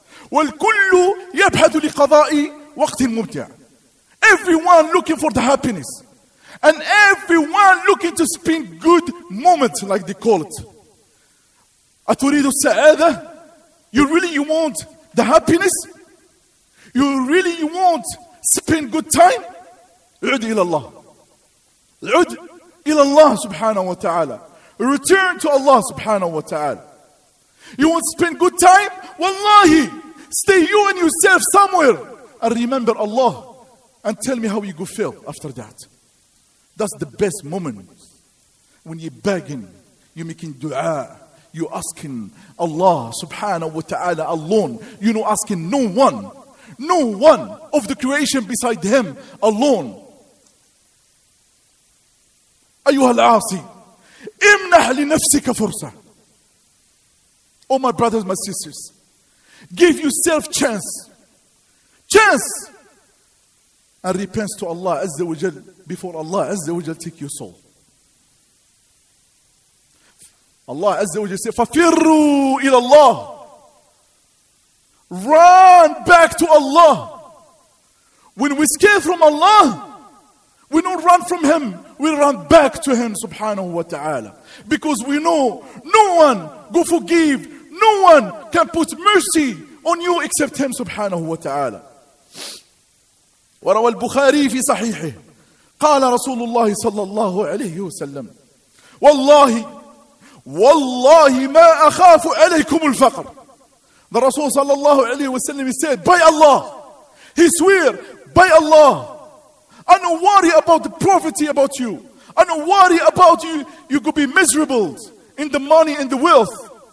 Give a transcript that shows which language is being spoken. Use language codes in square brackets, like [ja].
[ar] والكل يبحث لقضاء وقت ممتع. [en] Everyone looking for the happiness. And everyone looking to spend good moments, like they call it. [ar] أتريد السعادة? [en] You want the happiness? You want spend good time? [ar] عد إلى الله. عد إلى الله سبحانه وتعالى. [en] Return to Allah subhanahu wa ta'ala. You want to spend good time? Wallahi, stay you and yourself somewhere and remember Allah and tell me how you go feel after that. That's the best moment. When you're begging, you're making dua, you're asking Allah subhanahu wa ta'ala alone. You're not asking no one of the creation beside him alone. [ar] Ayuha al-Asi, امنح لنفسك فرصة. [en] Oh my brothers, my sisters, give yourself chance and repent to Allah Azza wa Jal before Allah Azza wa Jal take your soul. Allah Azza wa Jal say, [ar] ففروا إلى الله. [en] Run back to Allah. When we escape from Allah, we don't run from him, we run back to him subhanahu wa ta'ala. Because we know no one go forgive, no one can put mercy on you except him subhanahu wa ta'ala. [ar] وروى البخاري في صحيحه قال رسول الله صلى الله عليه وسلم والله ما أخاف عليكم الفقر. [en] The Rasul صلى الله عليه وسلم said, by Allah, he swear, by Allah, I don't worry about the poverty about you. I don't worry about you. You could be miserable in the money and the wealth.